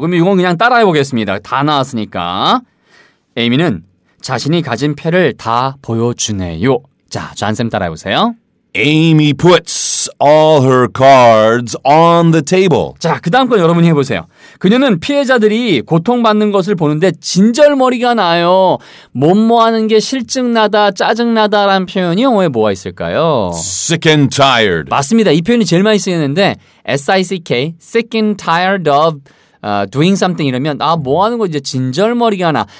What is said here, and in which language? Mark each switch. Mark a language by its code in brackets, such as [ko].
[ko] 그럼 이건 그냥 따라해 보겠습니다. 다 나왔으니까. 에이미는 자신이 가진 패를 다 보여주네요. 자, 잔쌤 따라해 보세요. [en] Amy puts all her cards on the table. [ko] 자, 그 다음 건 여러분이 해보세요. 그녀는 피해자들이 고통받는 것을 보는데 진절머리가 나요. 뭐뭐하는 게 실증나다, 짜증나다라는 표현이 영어에 뭐가 있을까요? [en] Sick and tired. [ko] 맞습니다. 이 표현이 제일 많이 쓰이는데 S-I-C-K, [en] sick and tired of doing something [ko] 이러면 아 뭐 하는 거 이제 진절머리가 나.